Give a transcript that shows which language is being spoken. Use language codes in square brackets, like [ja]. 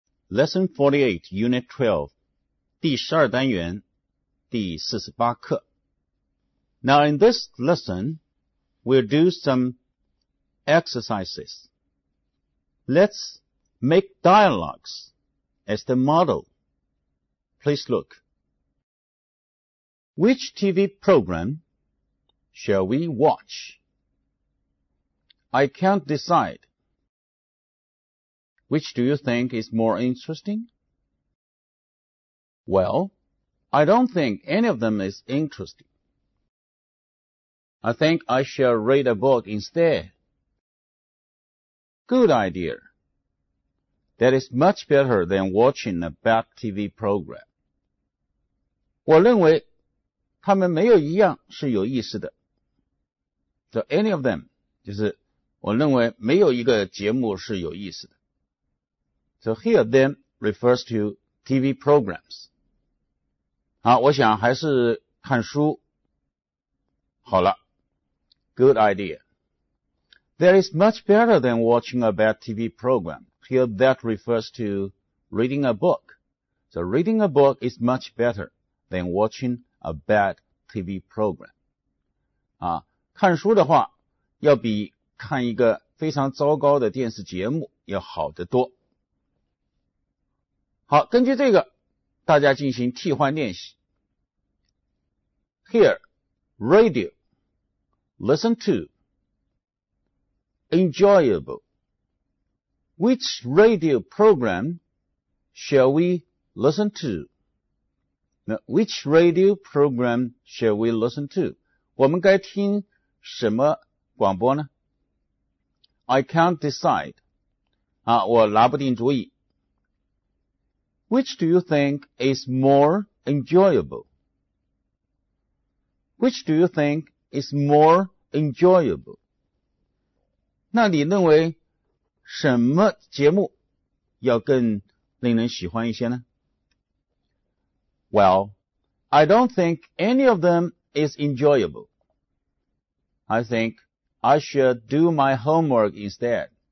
[en] Lesson 48, Unit 12, [zh] 第十二单元，第四十八课。 [en] Now in this lesson, we'll do some exercises. Let's make dialogues as the model. Please look. Which TV program shall we watch? I can't decide. Which do you think is more interesting? Well, I don't think any of them is interesting. I think I shall read a book instead. Good idea. That is much better than watching a bad TV program. [zh] 我认为他们没有一样是有意思的。 [en] So any of them, [zh] 就是我认为没有一个节目是有意思的。 [en] So here then refers to TV programs. [zh] 好，我想还是看书。好了。 [en] Good idea. There is much better than watching a bad TV program. Here that refers to reading a book. So reading a book is much better than watching a bad TV program. [zh] 啊，看书的话要比看一个非常糟糕的电视节目要好得多。好，根据这个大家进行替换练习。 [en] Here, radio, listen to, enjoyable. Which radio program shall we listen to? Now, which radio program shall we listen to? [zh] 我们该听什么广播呢？ [en] I can't decide. [zh] 啊，我拿不定主意。 [en] Which do you think is more enjoyable? Which do you think is more enjoyable? [zh] 那你认为什么节目要更令人喜欢一些呢？ [en] Well, I don't think any of them is enjoyable. I think I should do my homework instead.